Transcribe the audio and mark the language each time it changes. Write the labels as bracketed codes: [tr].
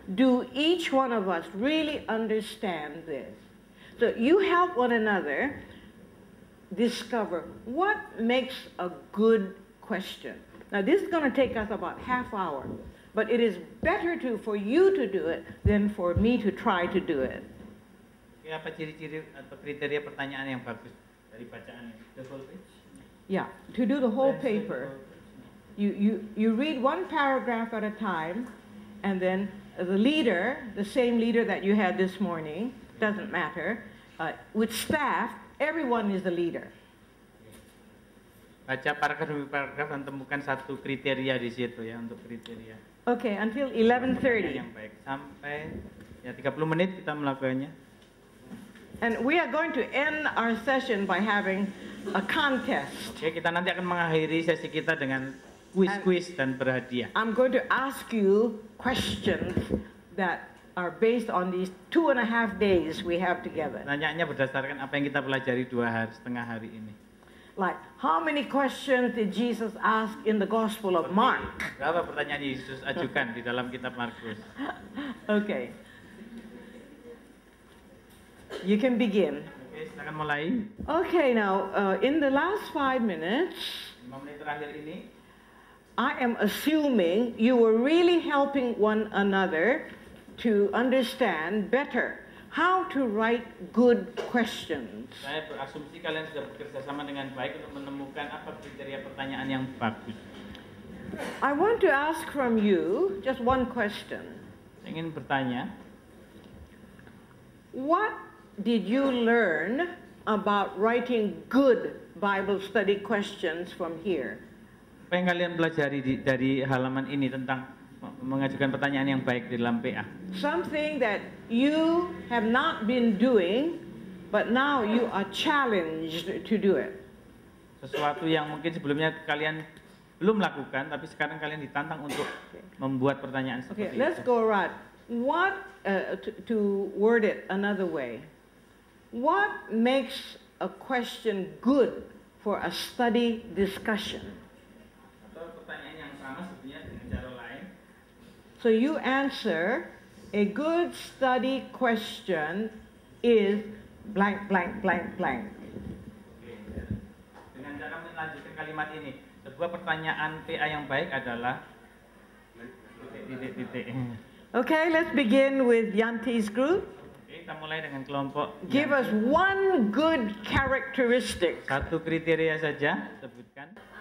[en] Do each one of us really understand this? So you help one another discover what makes a good question. Now this is going to take us about half hour. But it is better to for you to do it than for me to try to do it. [id] Okay, apa ciri-ciri atau kriteria pertanyaan yang bagus dari bacaan ini? [en] The whole page? Yeah, to do the whole paper. You read one paragraph at a time, and then the leader, the same leader that you had this morning, doesn't matter, with staff, everyone is the leader. [id] Baca paragraf demi paragraf dan temukan satu kriteria di situ ya untuk kriteria. [en] Okay, until 11:30. [id] Yang baik sampai ya 30 menit kita melakukannya. [en] And we are going to end our session by having a contest. [id] Okay, kita nanti akan mengakhiri sesi kita dengan quiz dan berhadiah. [en] I'm going to ask you questions that are based on these 2.5 days we have together. [id] Nanyanya berdasarkan apa yang kita pelajari 2 hari setengah ini. [en] Like, how many questions did Jesus ask in the Gospel of Mark? [id] Berapa pertanyaan Yesus ajukan di dalam kitab Markus? [en] Okay. You can begin. [id] Okay, silakan mulai. [en] Okay, now, in the last 5 minutes, [id] 5 menit terakhir ini, [en] I am assuming you were really helping one another to understand better how to write good questions. [id] Saya berasumsi kalian sudah bekerja sama dengan baik untuk menemukan apa kriteria pertanyaan yang bagus. [en] I want to ask from you just one question. [id] Saya ingin bertanya. [en] What did you learn about writing good Bible study questions from here? [id] Apa yang kalian pelajari dari halaman ini tentang mengajukan pertanyaan yang baik di dalam PA? [en] Something that you have not been doing, but now you are challenged to do it. [id] Sesuatu yang mungkin sebelumnya kalian belum lakukan, tapi sekarang kalian ditantang untuk membuat pertanyaan seperti itu. [en] Okay, let's go right. What to word it another way? What makes a question good for a study discussion? [id] Atau pertanyaan yang sama sebenarnya dengan cara lain. [en] So you answer. A good study question is blank, blank, blank, blank. Okay. [id] Dengan cara melanjutkan kalimat ini, sebuah pertanyaan PA yang baik adalah titik-titik. [en] Okay, let's begin with Yanti's group. [id] Okay, kita mulai dengan kelompok. [en] Give us one good characteristic. [id] Satu kriteria saja, sebutkan.